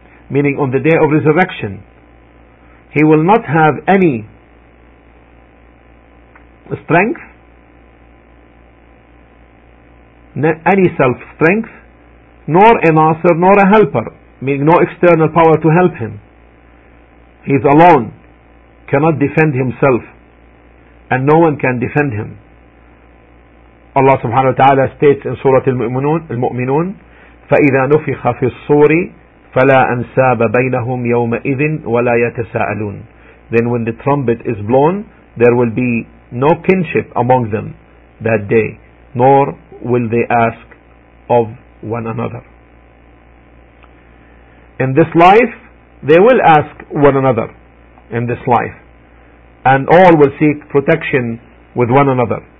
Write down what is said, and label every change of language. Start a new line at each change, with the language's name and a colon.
English: Meaning, on the day of resurrection, he will not have any strength, any self-strength, nor a nasir, nor a helper. Meaning, no external power to help him. He is alone, cannot defend himself, and no one can defend him. Allah subhanahu wa ta'ala states in Surah Al-Mu'minun,
Arabic: فَإِذَا نُفِخَ فِي الصُّورِ فَلَا أَنْسَابَ بَيْنَهُمْ يَوْمَئِذٍ وَلَا يَتَسَاءَلُونَ.
English: Then when the trumpet is blown, there will be no kinship among them that day, nor will they ask of one another. In this life, they will ask one another in this life, and all will seek protection with one another.